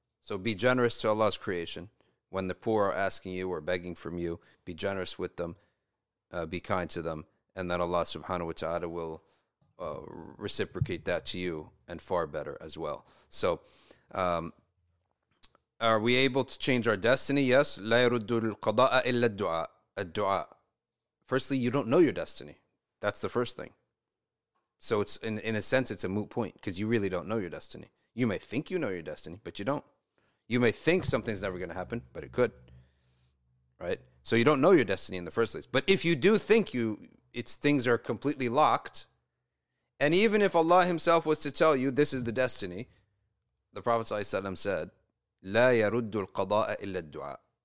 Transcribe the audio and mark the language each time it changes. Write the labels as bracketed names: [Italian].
[English] So be generous to Allah's creation. When the poor are asking you or begging from you, be generous with them. Be kind to them. And then Allah subhanahu wa ta'ala will reciprocate that to you and far better as well. So are we able to change our destiny? Yes. [Arabic] لا يرد القضاء إلا الدعاء. الدعاء. [English] Firstly, you don't know your destiny. That's the first thing. So it's in a sense, it's a moot point because you really don't know your destiny. You may think you know your destiny, but you don't. You may think something's never going to happen, but it could. Right? So you don't know your destiny in the first place. But if you do think things are completely locked, and even if Allah himself was to tell you this is the destiny, the Prophet ﷺ said, [Arabic] لا يرد القضاء إلا الدعاء.